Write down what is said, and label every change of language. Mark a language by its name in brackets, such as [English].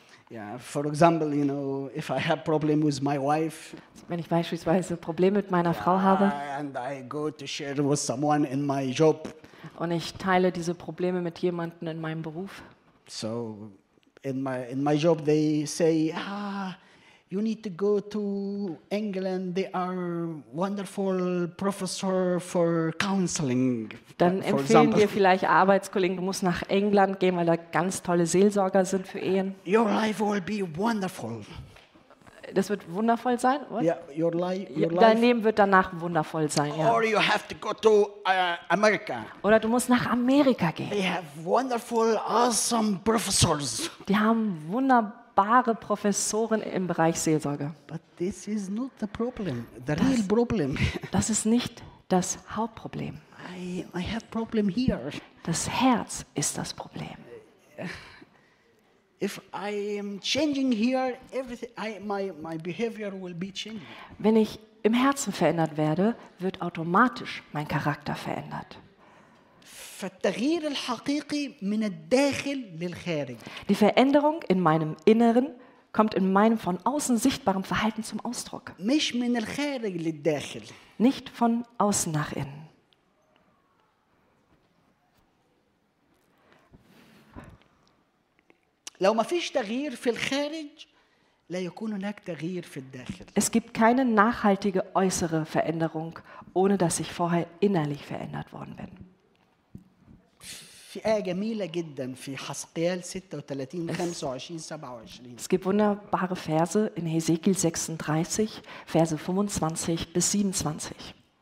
[English] Yeah, for example, you know, if I have problem with my wife. [German] Wenn ich beispielsweise Probleme mit meiner Frau habe. [English] And I go to share with someone in my job. [German] Und ich teile diese Probleme mit jemanden in meinem Beruf. [English] So, in my job, they say, you need to go to England. They are wonderful professor for counseling. [German] Dann empfehlen dir vielleicht Arbeitskollegen, du musst nach England gehen, weil da ganz tolle Seelsorger sind für Ehen. [English] Your life will be wonderful. [German] Das wird wundervoll sein. [English] What? Yeah, your life. [German] Dein Leben wird danach wundervoll sein. Ja. [English] Or you have to go to America. [German] Oder du musst nach Amerika gehen. [English] They have wonderful, awesome professors. [German] Die haben wunderbar. Wahre Professoren im Bereich Seelsorge. [English] But this is not the problem, the real problem. [German] Das ist nicht das Hauptproblem. [English] I have problem here. [German] Das Herz ist das Problem. [English] If I am changing here, everything, my behavior will be changing. [German] Wenn ich im Herzen verändert werde, wird automatisch mein Charakter verändert. [Arabic] فالتغيير الحقيقي من الداخل للخارج. [German] Die Veränderung in meinem Inneren kommt in meinem von außen sichtbaren Verhalten zum Ausdruck. [Arabic] مش من الخارج للداخل. [German] Nicht von außen nach innen. [Arabic] لو ما فيش تغيير في الخارج لا يكون هناك تغيير في الداخل. [German] Es gibt keine nachhaltige äußere Veränderung ohne dass ich vorher innerlich verändert worden bin. [Arabic] في آية جميلة جدا في حسقيال 36 25 27. [German] Es gibt wunderbare Verse in Hesekiel 36, Verse 25 bis 27.